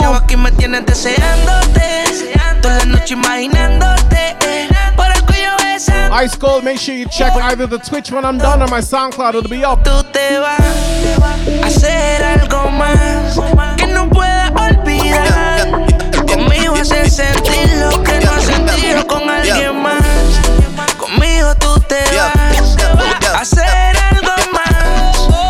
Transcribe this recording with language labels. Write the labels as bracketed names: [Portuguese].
[Spanish] Chavo, aquí me tienes deseándote, toda la noche imaginándote, por el cuello besando. [English] Ice Cold, make sure you check either the Twitch when I'm done or my SoundCloud, it'll be up. [Spanish] Tú te vas a hacer algo más que no pueda olvidar. Conmigo hace sentir lo que no has sentido con alguien más. Conmigo tú te vas a hacer algo más.